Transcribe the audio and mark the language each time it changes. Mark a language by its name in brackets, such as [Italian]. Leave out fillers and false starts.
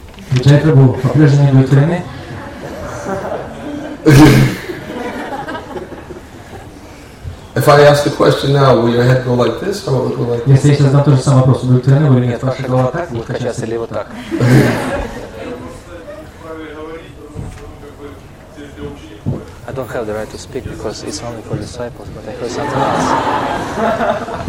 [Russian] Виджай Прабу, по-прежнему вы тренер? [English] If I ask the question now, will your head go like this or will it go like this? [Russian] Если я сейчас задам тот же самый вопрос, будет тренер или нет, ваша голова так будет качаться или вот так? [English] I don't have the right to speak because it's only for disciples, but I heard something else.